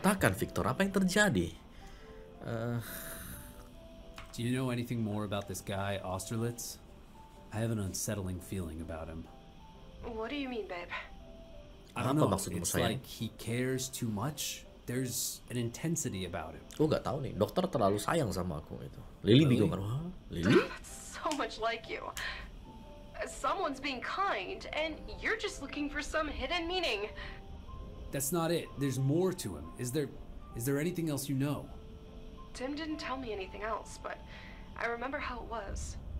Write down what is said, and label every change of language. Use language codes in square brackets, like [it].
[id] Katakan, Victor, apa yang terjadi? [en] Do you know anything more about this guy, Austerlitz? I have an unsettling feeling about him. What do you mean, babe? I don't know, it's like he cares too much. There's an intensity about him. [id] Gua gak tahu nih, dokter terlalu sayang sama aku itu. Lily bingung kan, wah? Lily? [en] So much like you. Someone's being kind, and you're just looking for some hidden meaning. That's not it. There's more to him. Is there anything else you know? Tim didn't tell me anything else, but I remember how it was.